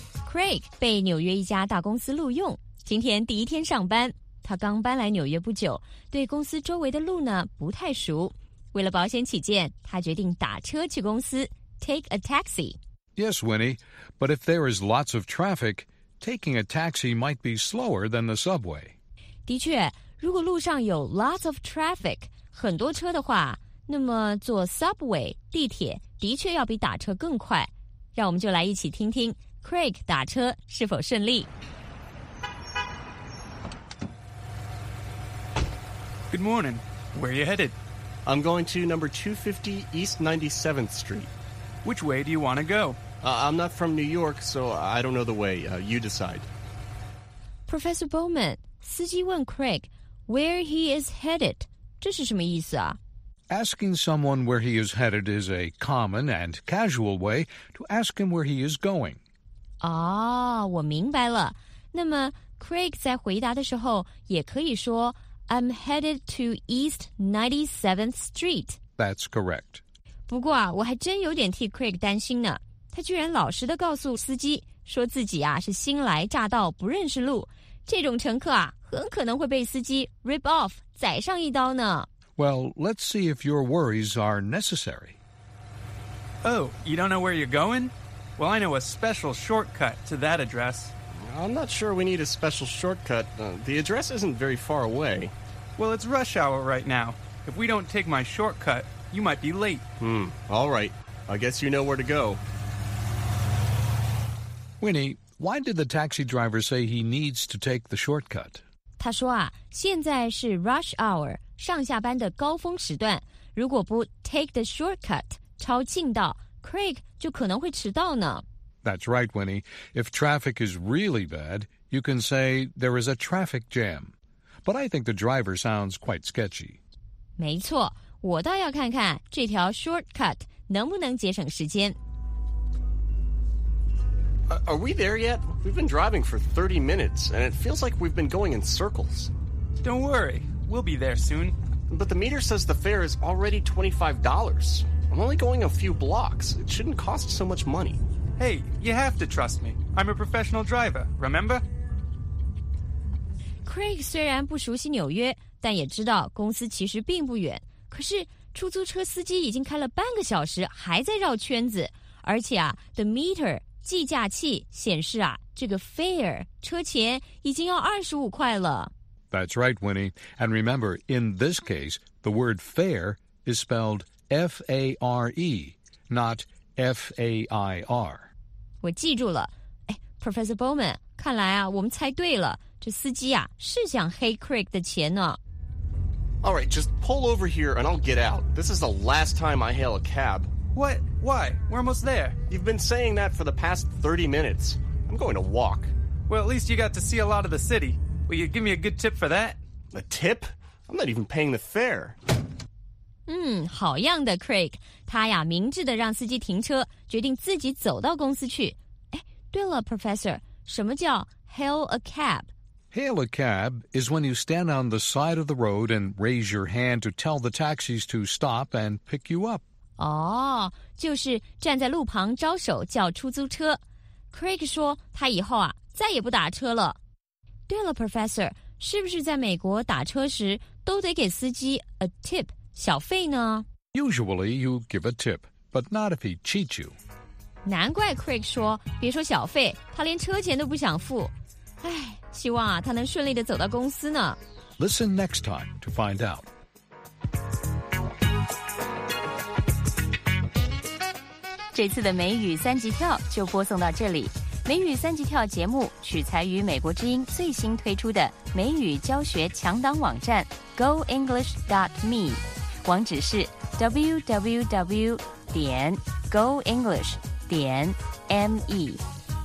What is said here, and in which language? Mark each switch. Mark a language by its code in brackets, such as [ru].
[zh] Craig 被纽约一家大公司录用，今天第一天上班。他刚搬来纽约不久，对公司周围的路呢不太熟。为了保险起见，他决定打车去公司 ， [en] take a taxi。 Yes, Winnie, but if there is lots of traffic, taking a taxi might be slower than the subway. [zh] 的确，如果路上有 [en] lots of traffic, [zh] 很多车的话，那么坐 subway 地铁的确要比打车更快。让我们就来一起听听 Craig 打车是否顺利。 [en] Good morning. Where are you headed? I'm going to number 250 East 97th Street. Which way do you want to go? I'm not from New York, so I don't know the way. You decide. Professor Bowman, [zh] 司机问 [en] Craig, where he is headed? [zh] 这是什么意思啊? [en] Asking someone where he is headed is a common and casual way to ask him where he is going. [zh] 啊、哦、我明白了。那么 Craig 在回答的时候也可以说 [en] I'm headed to East 97th Street. That's correct. [zh] 不过啊，我还真有点替 Craig 担心呢。他居然老实地告诉司机说自己啊是新来乍到不认识路，这种乘客啊很可能会被司机 [en] rip off [zh] 宰上一刀呢。 [en] Well, let's see if your worries are necessary. Oh, you don't know where you're going? Well, I know a special shortcut to that address. I'm not sure we need a special shortcut. The address isn't very far away. Well, it's rush hour right now. If we don't take my shortcut, you might be late. All right. I guess you know where to go. Winnie, why did the taxi driver say he needs to take the shortcut? [zh] 他说啊，现在是 rush hour, 上下班的高峰时段。如果不 [en] take the shortcut, [zh] 抄近道， Craig 就可能会迟到呢。 [en] That's right, Winnie. If traffic is really bad, you can say there is a traffic jam. But I think the driver sounds quite sketchy. [zh] 没错，我倒要看看这条 shortcut 能不能节省时间。 [en] Are we there yet? We've been driving for 30 minutes, and it feels like we've been going in circles. Don't worry. We'll be there soon. But the meter says the fare is already $25. I'm only going a few blocks. It shouldn't cost so much money. Hey, you have to trust me. I'm a professional driver, remember? [zh] Craig 虽然不熟悉纽约，但也知道公司其实并不远。可是出租车司机已经开了半个小时，还在绕圈子。而且啊 [en] the meter... [zh] 计价器显示啊，这个 fare 车钱已经要25块了。 [en] That's right, Winnie. And remember, in this case, the word fare is spelled F-A-R-E, not F-A-I-R. [zh] 我记住了。哎 ，Professor Bowman， 看来啊，我们猜对了。这司机啊，是想黑 Craig 的钱呢。 [en] All right, just pull over here, and I'll get out. This is the last time I hail a cab. What? Why? We're almost there. You've been saying that for the past 30 minutes. I'm going to walk. Well, at least you got to see a lot of the city. Will you give me a good tip for that? A tip? I'm not even paying the fare. [zh] 好样的 ,Craig. 他呀明智地让司机停车，决定自己走到公司去。哎，对了 ,Professor, 什么叫 [en] hail a cab? Hail a cab is when you stand on the side of the road and raise your hand to tell the taxis to stop and pick you up. [zh] 哦，就是站在路旁招手叫出租车。 Craig 说他以后啊再也不打车了。对了 ,Professor, 是不是在美国打车时都得给司机 [en] a tip, [zh] 小费呢 [en] ?Usually you give a tip, but not if he cheats you. [zh] 难怪 Craig 说别说小费他连车钱都不想付。唉希望啊他能顺利地走到公司呢。 [en] Listen next time to find out. [zh] 这次的美语三级跳就播送到这里。美语三级跳节目取材于美国之音最新推出的美语教学强档网站 goenglish.me， 网址是 www.goenglish.me。